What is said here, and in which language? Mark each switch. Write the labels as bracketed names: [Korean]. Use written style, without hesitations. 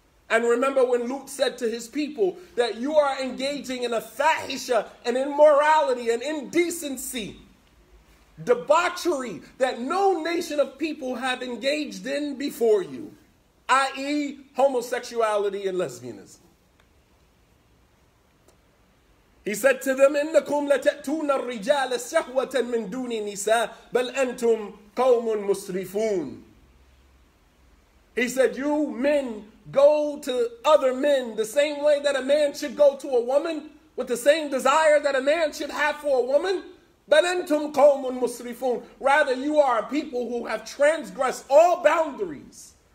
[English] And remember when Luke said to his people that you are engaging in a fahisha, an immorality, an indecency, debauchery that no nation of people have engaged in before you, i.e. homosexuality and lesbianism. He said to them, [Arabic] إِنَّكُمْ لَتَأْتُونَ الرِّجَالَ شَهْوَةً مِن دُونِ النِّسَاءِ بَلْ أَنْتُمْ قَوْمٌ مُسْرِفُونَ. [English] He said, you men go to other men the same way that a man should go to a woman, with the same desire that a man should have for a woman. [Arabic] بَلْ أَنْتُمْ قَوْمٌ مُسْرِفُونَ. [English] Rather, you are a people who have transgressed all boundaries.